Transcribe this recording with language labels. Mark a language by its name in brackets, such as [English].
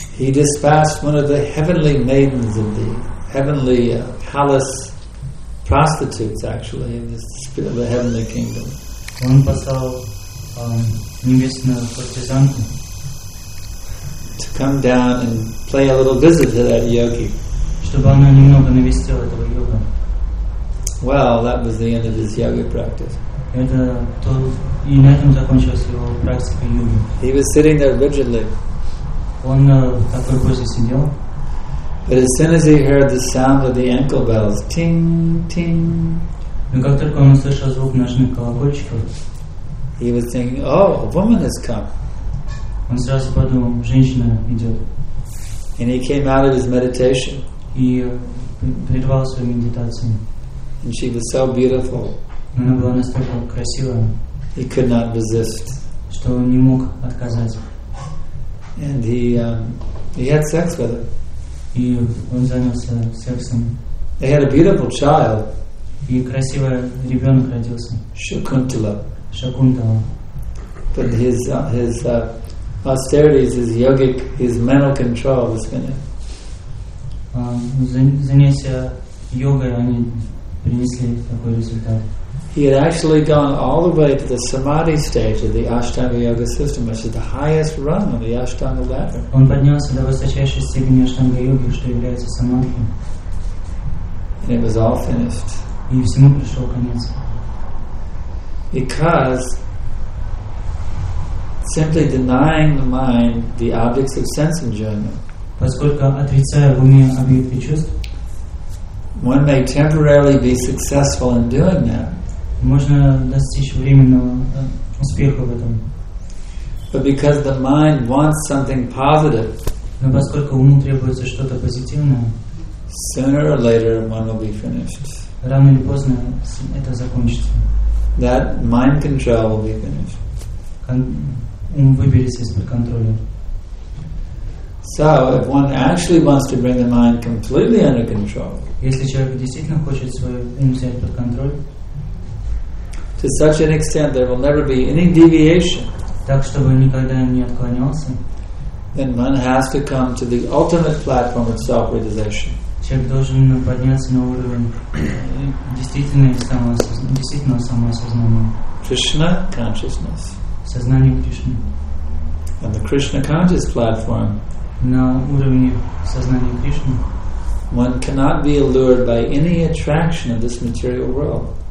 [English] He dispatched one of the heavenly maidens of the heavenly palace. Prostitutes, actually, in the spirit of the heavenly kingdom. [Russian] Он послал небесную партизанку [English] to come down and play a little visit to that yogi. [Russian] Чтобы она немного навестила этого йога. [English] Well, that was the end of his yoga practice. [Russian] Это то, и на этом закончилась его практика йоги. [English] He was sitting there rigidly. [Russian] Он на такой позе сидел. [English] But as soon as he heard the sound of the ankle bells, ting, ting, [Russian] но как только он услышал звук ножных колокольчиков, [English] he was thinking, oh, a woman has come. [Russian] Он сразу подумал, женщина идет. [English] And he came out of his meditation. [Russian] И прервал свою медитацию. [English] And she was so beautiful. [Russian] Она была настолько красивая. [English] He could not resist. [Russian] Что он не мог отказать. [English] And he had sex with her. [Russian] И он занялся сексом. [English] They had a beautiful child. [Russian] И красивый ребенок родился. Шакунтала. Шакунтала. [English] But his austerities, his yogic, his mental control was gonna. [Russian] Занятия йогой они принесли такой результат. [English] He had actually gone all the way to the samadhi stage of the Ashtanga Yoga system, which is the highest rung of the Ashtanga ladder. [Russian] Он поднялся до высочайшей степени Аштанга Йоги, что является самадхи. [English] And it was all finished. [Russian] И всему пришел конец. [English] Because simply denying the mind the objects of sense enjoyment. [Russian] Поскольку отрицая в уме объекты чувств, [English] one may temporarily be successful in doing that. [Russian] Можно достичь временного успеха в этом. [English] But because the mind wants something positive, [Russian] но поскольку уму требуется что-то позитивное, [English] sooner or later one will be finished. [Russian] Рано или поздно это закончится. [English] That mind control will be finished. [Russian] Ум выберется из-под контроля. [English] So if one actually wants to bring the mind completely under control, [Russian] если человек действительно хочет свой ум взять под контроль, [English] to such an extent there will never be any deviation. [Russian] Так чтобы он никогда не отклонялся. [English] Then one has to come to the ultimate platform of self-realization. [Russian] Человек должен подняться на уровень действительного самоосознания. [English] Krishna consciousness. [Russian] Сознание Кришны. [English] And the Krishna conscious platform. [Russian] На уровне сознания Кришны. [English] One cannot be allured by any attraction of this material world.